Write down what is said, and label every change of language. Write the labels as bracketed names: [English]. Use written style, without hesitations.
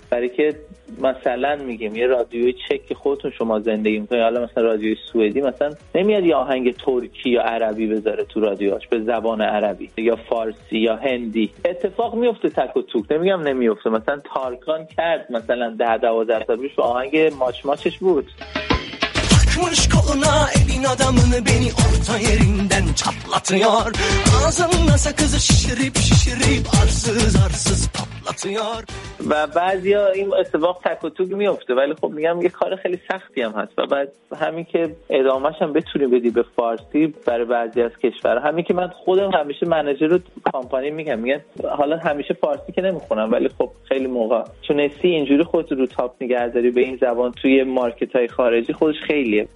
[Persian] برای که مثلا میگیم یه رادیوی چک خودتون شما زندگی میکنید، حالا مثلا رادیوی سوئدی مثلا نمیاد یه آهنگ ترکی یا عربی بذاره تو رادیواش به زبان عربی یا فارسی یا هندی. اتفاق میفته تک و توک، نمیگم نمیفته. مثلا تارکان کرد مثلا 10-12 سال پیش آهنگ ماچ ماچش بود. [Turkish] Takmış koluna elin adamını beni orta yerinden çatlatıyor. Ağzında sakızı şişirip şişirip arsız arsız patlatıyor. [Persian] و بعضیا این اتفاق تک و توک میفته، ولی خب میگم یه کار خیلی سختی هم هست و بعد همین که ادامهش هم بتونی بدی به فارسی برای بعضی از کشورها، همین که من خودم همیشه منیجر رو کمپانی میگم، میگن حالا همیشه فارسی که نمیخونم، ولی خب خیلی موقع چون سی اینجوری خودت رو تاپ نگهداری به این زبان توی مارکت های خارجی خودش خیلیه.